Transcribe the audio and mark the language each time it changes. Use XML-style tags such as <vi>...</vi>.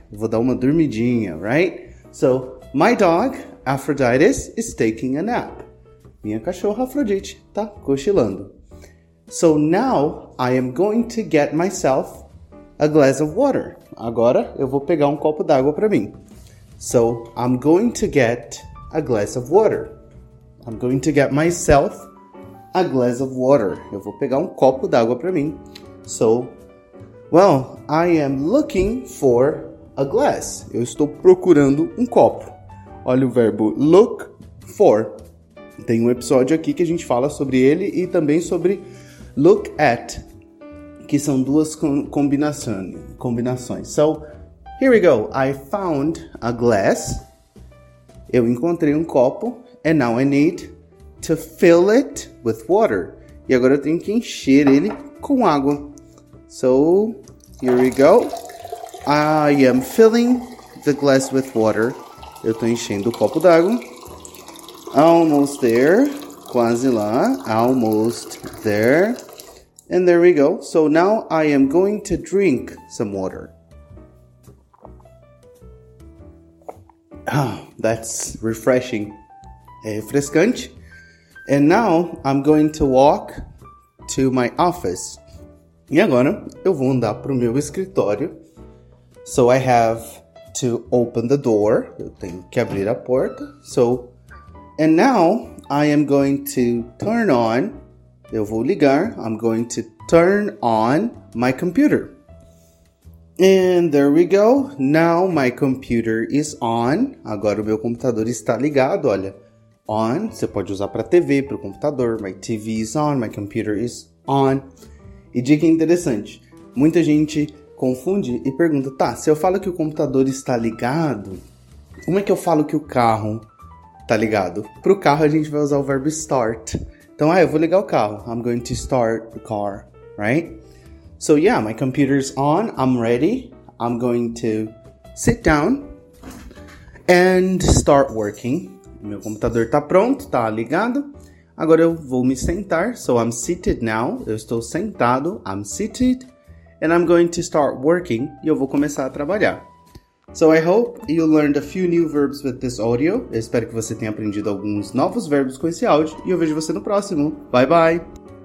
<pt>Vou dar uma dormidinha,</pt> <en>right? So, my dog, Aphrodite, is taking a nap.</en> <pt>Minha cachorra, Afrodite, tá cochilando.</pt> <en>So now, I am going to get myself a glass of water.</en> <pt>Agora, eu vou pegar um copo d'água para mim.</pt> <en>So, I'm going to get a glass of water. I'm going to get myself a glass of water.</en> <pt>Eu vou pegar um copo d'água para mim.</pt> <en>So, well, I am looking for a glass.</en> <pt>Eu estou procurando um copo. Olha o verbo look for. Tem um episódio aqui que a gente fala sobre ele e também sobre look at, que são duas combinações.</pt> <en>So, here we go. I found a glass.</en> <pt>Eu encontrei um copo.</pt> <en>And now I need to fill it with water.</en> <pt>E agora eu tenho que encher ele com água.</pt> <en>So, here we go. I am filling the glass with water.</en> <pt>Eu estou enchendo o copo d'água.</pt> <en>Almost there,</en> <pt>quase lá,</pt> <en>almost there, and there we go. So now I am going to drink some water. Ah, that's refreshing.</en> <pt>É refrescante.</pt> <en>And now I'm going to walk to my office.</en> <pt>E agora eu vou andar para o meu escritório.</pt> <en>So I have to open the door.</en> <pt>Eu tenho que abrir a porta.</pt> <en>So, and now, I am going to turn on,</en> <pt>eu vou ligar,</pt> <en>I'm going to turn on my computer. And there we go, now my computer is on.</en> <pt>Agora o meu computador está ligado, olha.</pt> <en>On,</en> <pt>você pode usar para TV, para o computador.</pt> <en>My TV is on, my computer is on.</en> <pt>E dica interessante, muita gente confunde e pergunta, tá, se eu falo que o computador está ligado, como é que eu falo que o carro tá ligado? Para o carro, a gente vai usar o verbo start. Então, eu vou ligar o carro.</pt> <en>I'm going to start the car, right? So, yeah, my computer's on. I'm ready. I'm going to sit down and start working.</en> <pt>Meu computador tá pronto, tá ligado. Agora, eu vou me sentar.</pt> <en>So, I'm seated now.</en> <pt>Eu estou sentado.</pt> <en>I'm seated. And I'm going to start working.</en> <pt>E eu vou começar a trabalhar.</pt> <en>So I hope you learned a few new verbs with this audio.</en> <pt>Eu espero que você tenha aprendido alguns novos verbos com esse áudio. E eu vejo você no próximo.</pt> <en>Bye, bye!</en>